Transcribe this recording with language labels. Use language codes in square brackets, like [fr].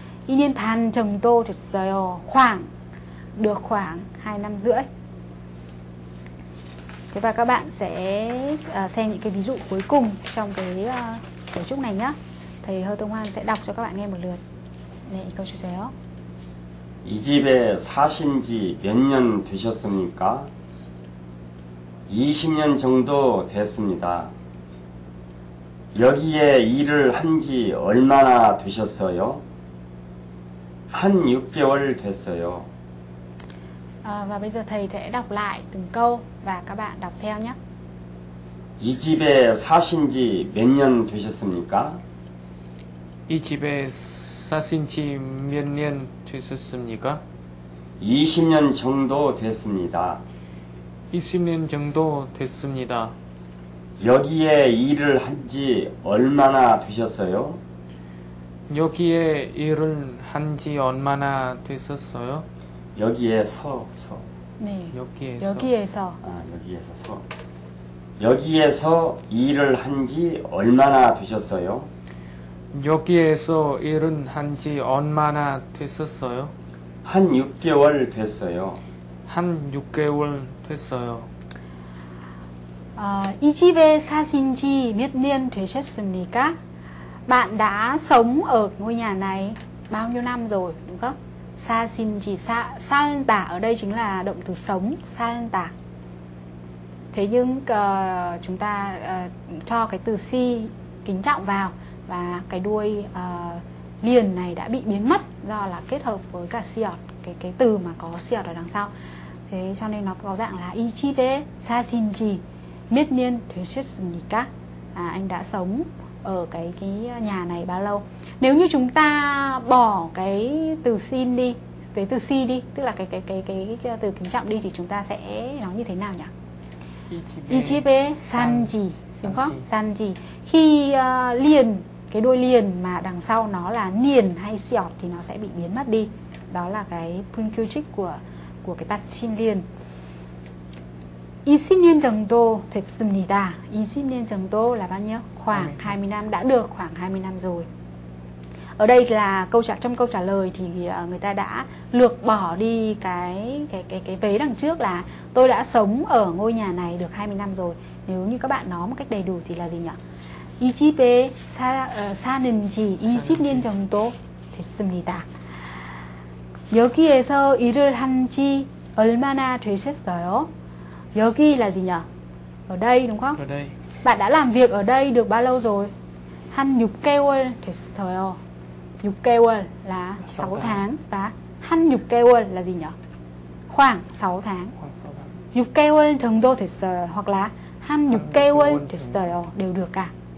[ko] 2년 반 정도 됐어요. [vi] Khoảng, được khoảng 2 năm rưỡi. Thế và các bạn sẽ xem những cái ví dụ cuối cùng trong cái cấu trúc này nhé. Thầy Hơ Tông Hoan sẽ đọc cho các bạn nghe một lượt. [ko] 네, 읽어주세요. 이 집에 사신 지 몇 년 되셨습니까? 20년 정도 됐습니다. 여기에 일을 한 지 얼마나 되셨어요? 한 6개월 됐어요. [vi] 아, và bây giờ thầy sẽ đọc lại từng câu và các bạn đọc theo nhé. [ko] 이 집에 사신 지 몇 년 되셨습니까? 이 집에 사신 지 몇 년 되셨습니까? 20년 정도 됐습니다. 20년 정도 됐습니다. 여기에 일을 한 지 얼마나 되셨어요? 여기에 일을 한 지 얼마나 됐었어요? 여기에서 서. 네. 여기에서. 여기에서. 아, 여기에서 서. 여기에서 일을 한 지 얼마나 되셨어요? 여기에서 일은 한 지 얼마나 됐었어요? 한 6개월 됐어요. 한 6개월 됐어요. 아, 이 집에 사신 지 몇 년 되셨습니까? [vi] Bạn đã sống ở ngôi nhà này bao nhiêu năm rồi, đúng không? [ko] 사신 지 살다 [vi] ở đây chính là động từ sống, 살다. Thế nhưng chúng ta cho cái từ si kính trọng vào và cái đuôi liền này đã bị biến mất do là kết hợp với cả siot, cái từ mà có siot ở đằng sau. Thế cho nên nó có dạng là 이 집에 사신 지 몇 년 되셨습니까? Anh đã sống ở cái nhà này bao lâu? Nếu như chúng ta bỏ cái từ xin đi, cái từ si đi, tức là cái từ kính trọng đi thì chúng ta sẽ nói như thế nào nhỉ? [ko] 이 집에 산 지, [vi] đúng không? [ko] 산 지. [vi] Khi liền, cái đuôi liền mà đằng sau nó là niền hay xiọt thì nó sẽ bị biến mất đi. Đó là cái punctuation của cái bát xin liền. [ko] 20년 정도 됐습니다. 20년 정도 [vi] là bao nhiêu? Khoảng 20 năm, đã được khoảng 20 năm rồi. Ở đây là trong câu trả lời thì người ta đã lược bỏ đi cái vế đằng trước là tôi đã sống ở ngôi nhà này được 20 năm rồi. Nếu như các bạn nói một cách đầy đủ thì là gì nhỉ? [ko] 이 집에 사는 지 20년 정도 됐습니다. 여기에서 일을 한 지 얼마나 되셨어요? [vi] 여기 là gì nhỉ? Ở đây đúng không? Ở đây. Bạn đã làm việc ở đây được bao lâu rồi? [ko] Han 6개월 됐어요. [vi] 6개월 là 6 tháng và han 6개월 là gì nhỉ? Khoảng 6 tháng. [ko] 6개월 정도 됐어요 [vi] hoặc là [ko] han 6개월 됐어요 [vi] đều được cả.